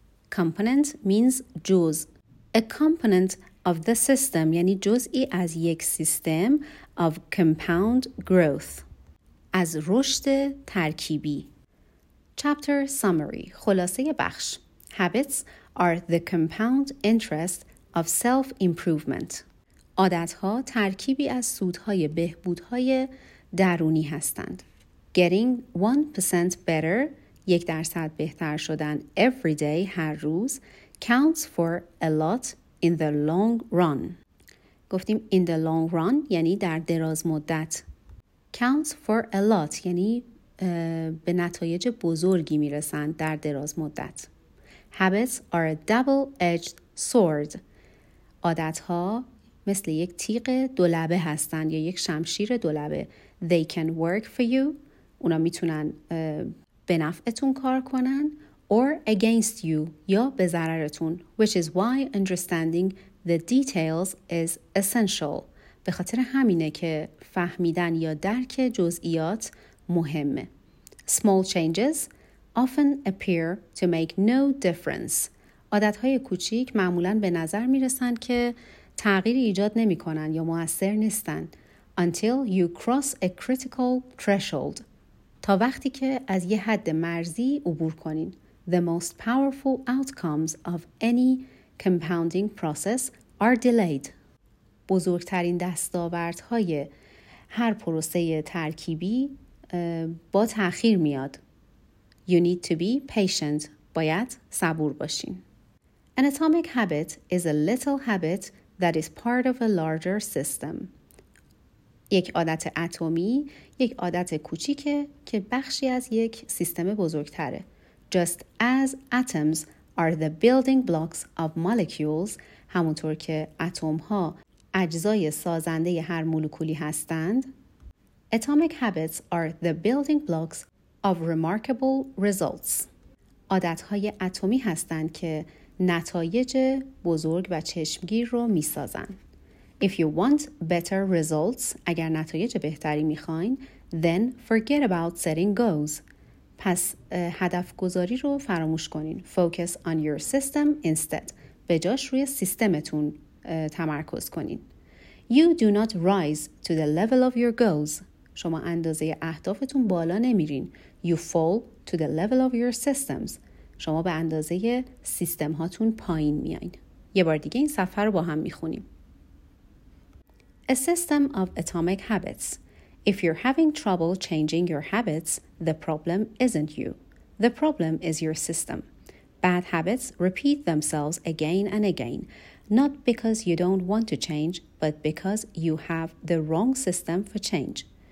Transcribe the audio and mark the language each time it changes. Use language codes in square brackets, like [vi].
[en] Component means جزء. A component of the system [fa] یعنی جزئی از یک سیستم [en] of compound growth. [fa] از رشد ترکیبی. [en] Chapter summary. [fa] خلاصه بخش. [en] Habits are the compound interest of self-improvement. [fa] عادت‌ها ترکیبی از سودهای بهبودهای درونی هستند. [en] Getting 1% better، [fa] 1% بهتر شدن [en] every day، [fa] هر روز، [en] counts for a lot in the long run. [fa] گفتیم [en] in the long run [fa] یعنی در دراز مدت. [en] Counts for a lot [fa] یعنی به نتایج بزرگی میرسند در دراز مدت. [en] Habits are a double-edged sword. [fa] عادت‌ها مثل یک تیغ دولبه هستند یا یک شمشیر دولبه. [en] They can work for you. [fa] اونا میتونن به نفعتون کار کنن. [en] Or against you. [fa] یا به ضررتون. [en] Which is why understanding the details is essential. [fa] به خاطر همینه که فهمیدن یا درک جزئیات مهمه. [en] Small changes often appear to make no difference. [fa] عادتهای کوچیک معمولاً به نظر میرسن که تغییر ایجاد نمی کنن یا مؤثر نیستن. [en] Until you cross a critical threshold. [fa] تا وقتی که از یه حد مرزی عبور کنین. [en] The most powerful outcomes of any compounding process are delayed. [fa] بزرگترین دستاوردهای هر پروسه ترکیبی با تأخیر میاد. [en] You need to be patient. [fa] باید صبور باشین. [en] An atomic habit is a little habit that is part of a larger system. [fa] یک عادت اتمی یک عادت کوچیکه که بخشی از یک سیستم بزرگتره. [en] Just as atoms are the building blocks of molecules، [fa] همونطور که اتم‌ها اجزای سازنده هر مولکولی هستند، [en] atomic habits are the building blocks of remarkable results. [fa] عادت‌های اتمی هستند که نتایج بزرگ و چشمگیر رو می سازن. [en] If you want better results، [fa] اگر نتایج بهتری می خواین، [en] then forget about setting goals. [fa] پس هدف گذاری رو فراموش کنین. [en] Focus on your system instead. [fa] به جاش روی سیستمتون تمرکز کنین. [en] You do not rise to the level of your goals. [fa] شما اندازه اهدافتون بالا نمی رین. [en] You fall to the level of your systems. [fa] شما به اندازه سیستم هاتون پایین میایین. یه بار دیگه این صفحه رو با هم میخونیم. [en] A system of atomic habits. If you're having trouble changing your habits, the problem isn't you. The problem is your system. Bad habits repeat themselves again and again. Not because you don't want to change, but because you have the wrong system for change.